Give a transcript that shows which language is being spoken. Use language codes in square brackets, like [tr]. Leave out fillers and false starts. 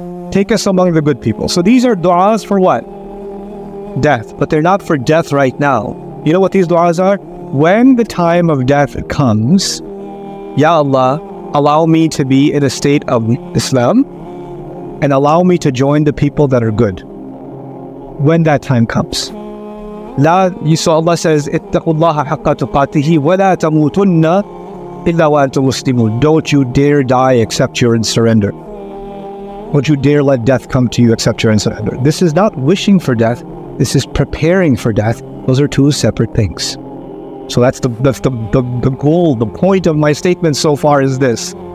[en] Take us among the good people. So these are du'as for what? Death. But they're not for death right now. You know what these du'as are? When the time of death comes, Ya Allah, allow me to be in a state of Islam and allow me to join the people that are good. When that time comes. [ar] La, [en] you saw Allah says, [ar] اتَّقُوا اللَّهَ حَقَّ تُقَاتِهِ وَلَا تَمُوتُنَّ إِلَّا وَأَنْتُمْ مُسْلِمُونَ. [en] Don't you dare die except you're in surrender. Don't you dare let death come to you except you're in surrender. This is not wishing for death. This is preparing for death. Those are two separate things. So that's the goal, the point of my statement so far is this.